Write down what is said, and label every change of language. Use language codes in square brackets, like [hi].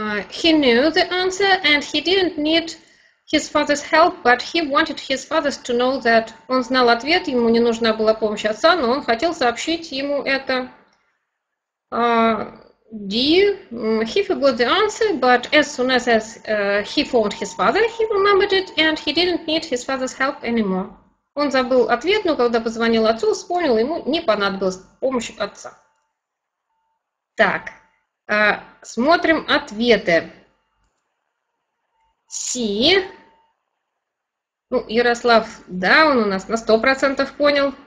[en] He knew the answer, and he didn't need his father's help, but he wanted his father to know that. [ru] Он знал ответ, ему не нужна была помощь отца, но он хотел сообщить ему это. [en] D. He forgot the answer, but as soon as he found his father, he remembered it, and he didn't need his father's help anymore. [ru] Он забыл ответ, но когда позвонил отцу, вспомнил, ему не понадобилась помощь отца. Так, смотрим ответы. C. Ну, Ярослав, да, он у нас на 100% понял.